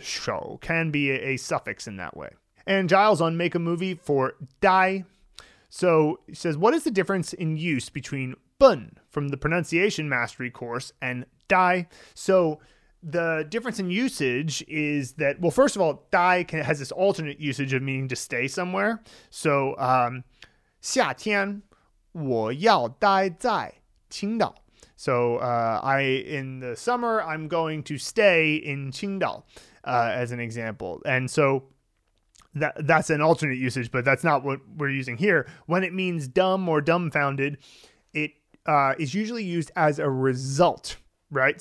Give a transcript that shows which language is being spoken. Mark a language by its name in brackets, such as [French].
[English] 手 can be a suffix in that way. And Giles on Make a Movie for die. So he says, what is the difference in use between 笨 from the pronunciation mastery course and die? So the difference in usage is that, well, first of all, die has this alternate usage of meaning to stay somewhere. [Chinese] So, 夏天我要待在青岛. [English] So, in the summer, I'm going to stay in Qingdao, as an example. And so that's an alternate usage, but that's not what we're using here. When it means dumb or dumbfounded, it, is usually used as a result, right?